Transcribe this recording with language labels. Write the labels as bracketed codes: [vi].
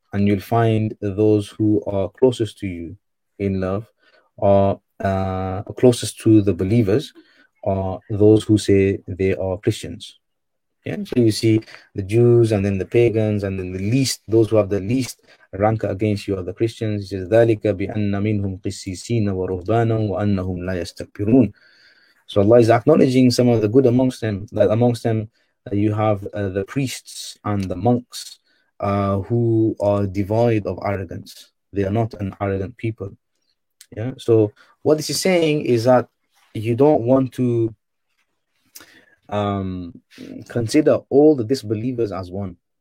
[en] And you'll find those who are closest to you in love are closest to the believers are those who say they are Christians. Yeah, so you see the Jews, and then the pagans, and then the least, those who have the least rank against you are the Christians. It says, [ar] ذَلِكَ بِأَنَّ مِنْهُمْ قِسِّيسِينَ وَرُهْبَانًا وَأَنَّهُمْ لَا يَسْتَكْبِرُونَ. [en] So Allah is acknowledging some of the good amongst them, that amongst them you have the priests and the monks who are devoid of arrogance. They are not an arrogant people. Yeah. So what this is saying is that you don't want to consider all the disbelievers as one.